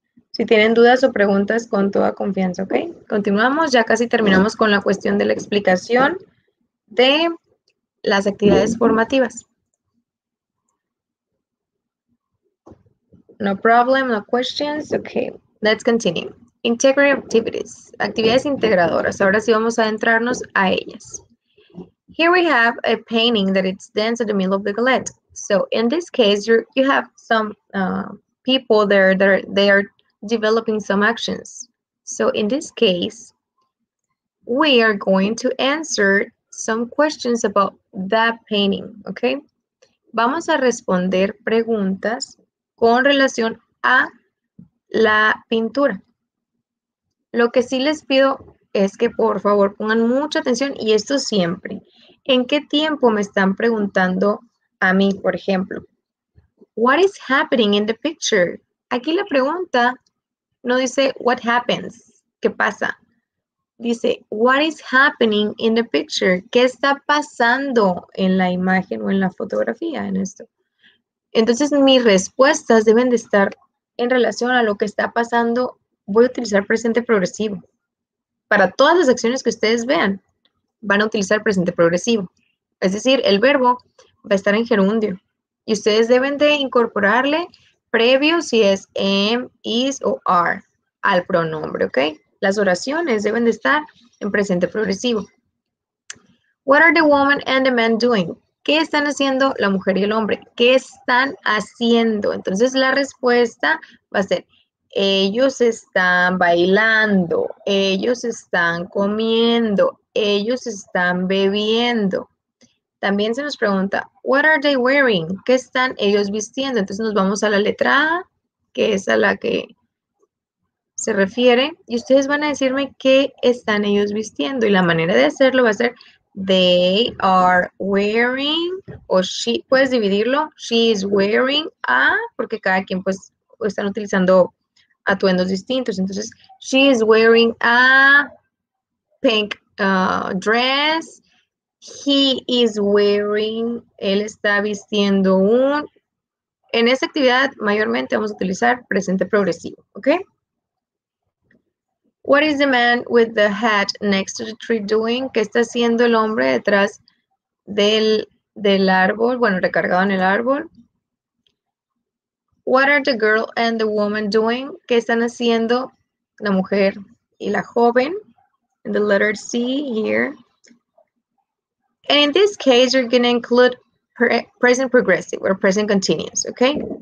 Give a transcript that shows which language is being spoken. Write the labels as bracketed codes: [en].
[es] Si tienen dudas o preguntas, con toda confianza, ¿ok? Continuamos, ya casi terminamos con la cuestión de la explicación de las actividades formativas. [en] No problem, no questions. Okay, let's continue. Integrate activities, [es] actividades integradoras. Ahora sí vamos a adentrarnos a ellas. [en] Here we have a painting that it stands in the middle of the galette. So in this case, you have some people there that are, they are developing some actions. So in this case, we are going to answer some questions about that painting, okay? [es] Vamos a responder preguntas con relación a la pintura. Lo que sí les pido es que por favor pongan mucha atención y esto siempre. ¿En qué tiempo me están preguntando a mí, por ejemplo? [en] What is happening in the picture? [es] Aquí la pregunta no dice [en] what happens, [es] ¿qué pasa? [en] Dice what is happening in the picture? [es] ¿Qué está pasando en la imagen o en la fotografía en esto? Entonces mis respuestas deben de estar en relación a lo que está pasando. Voy a utilizar presente progresivo. Para todas las acciones que ustedes vean, van a utilizar presente progresivo. Es decir, el verbo va a estar en gerundio. Y ustedes deben de incorporarle previo si es am, is o are al pronombre, ¿ok? Las oraciones deben de estar en presente progresivo. [en] What are the woman and the man doing? [es] ¿Qué están haciendo la mujer y el hombre? ¿Qué están haciendo? Entonces la respuesta va a ser, ellos están bailando, ellos están comiendo, ellos están bebiendo. También se nos pregunta, [en] what are they wearing? [es] ¿Qué están ellos vistiendo? Entonces nos vamos a la letra A, que es a la que se refiere, y ustedes van a decirme qué están ellos vistiendo. Y la manera de hacerlo va a ser, [en] they are wearing, [es] o she, puedes dividirlo, [en] she is wearing a, [es] porque cada quien pues están utilizando atuendos distintos. [en] Entonces, she is wearing a pink dress. He is wearing, [es] él está vistiendo un. En esta actividad, mayormente vamos a utilizar presente progresivo, ¿ok? [en] What is the man with the hat next to the tree doing? [es] ¿Qué está haciendo el hombre detrás del árbol? Bueno, recargado en el árbol. [en] What are the girl and the woman doing? [es] ¿Qué están haciendo la mujer y la joven? [en] In the letter C here. And in this case, you're going to include present progressive or present continuous, okay?